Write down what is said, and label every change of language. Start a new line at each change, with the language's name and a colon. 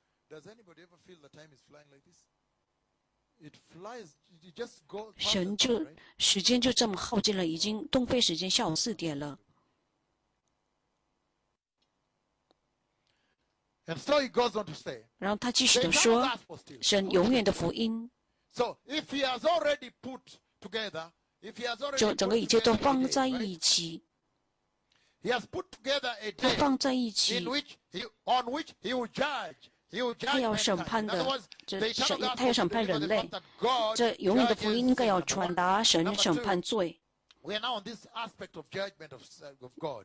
English: Does anybody ever feel the time is flying like this? It flies, it just goes.
Chinese: 神就时间就这么耗尽了，已经东非时间下午四点了。
English: And so he goes on to say.
Chinese: 然后他继续的说，神永远的福音。
English: So if he has already put together, if he has already
Chinese: 就整个一切都放在一起。
English: He has put together a day.
Chinese: 他放在一起。
English: In which he, on which he will judge.
Chinese: 他要审判的，他要审判人类，这永远的福音应该要传达神审判罪。
English: We are now on this aspect of judgment of God.